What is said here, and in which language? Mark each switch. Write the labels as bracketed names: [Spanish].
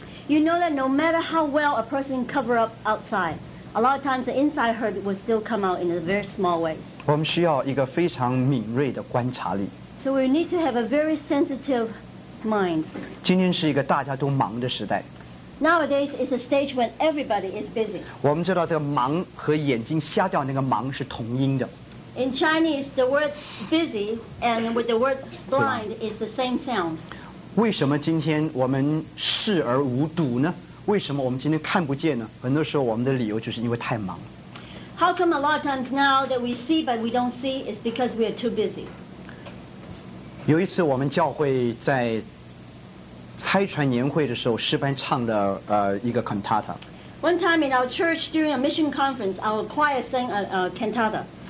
[English] You know that no matter how well a person cover up outside, a lot of times the inside hurt will still come out in a very small way. [Chinese] 我们需要一个非常敏锐的观察力。 [English] So we need to have a very sensitive mind. [Chinese] 今天是一个大家都忙的时代。 [English] Nowadays is a stage when everybody is busy. [Chinese] 我们知道这个忙和眼睛瞎掉那个忙是同音的。 [English] In Chinese, the word busy and with the word blind is the same sound. [Chinese] 为什么今天我们视而无睹呢？为什么我们今天看不见呢？很多时候我们的理由就是因为太忙。 [English] How come a lot of times now that we see but we don't see is because we are too busy? [Chinese] 有一次我们教会在拆船年会的时候，诗班唱的一个 cantata。 [English] One time in our church during a mission conference, our choir sang a cantata.